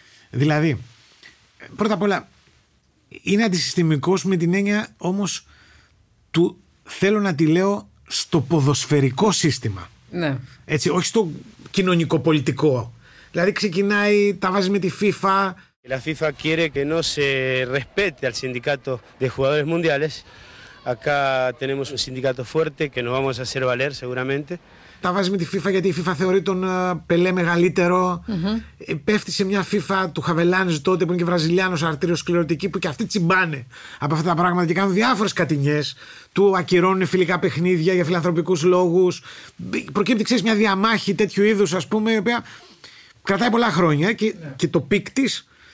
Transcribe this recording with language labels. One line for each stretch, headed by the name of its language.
Greek: Δηλαδή, πρώτα απ' όλα. Είναι αντισυστημικός με την έννοια όμως του, θέλω να τη λέω, στο ποδοσφαιρικό σύστημα. Ναι. Έτσι, όχι στο κοινωνικοπολιτικό. Δηλαδή ξεκινάει, τα βάζει με τη FIFA.
Spanish: La FIFA quiere que no se respete al sindicato de jugadores mundiales. Acá tenemos un sindicato fuerte que nos vamos a hacer valer seguramente.
Greek: Τα βάζει με τη FIFA γιατί η FIFA θεωρεί τον Πελέ μεγαλύτερο. Πέφτει σε μια FIFA του Χαβελάνης τότε που είναι και Βραζιλιάνος, αρτήριος σκληρωτική, που και αυτοί τσιμπάνε από αυτά τα πράγματα και κάνουν διάφορες κατηνιές. Του ακυρώνουν φιλικά παιχνίδια για φιλανθρωπικούς λόγους. Προκύπτει, ξέρεις, μια διαμάχη τέτοιου είδους, ας πούμε, η οποία κρατάει πολλά χρόνια και το πικ της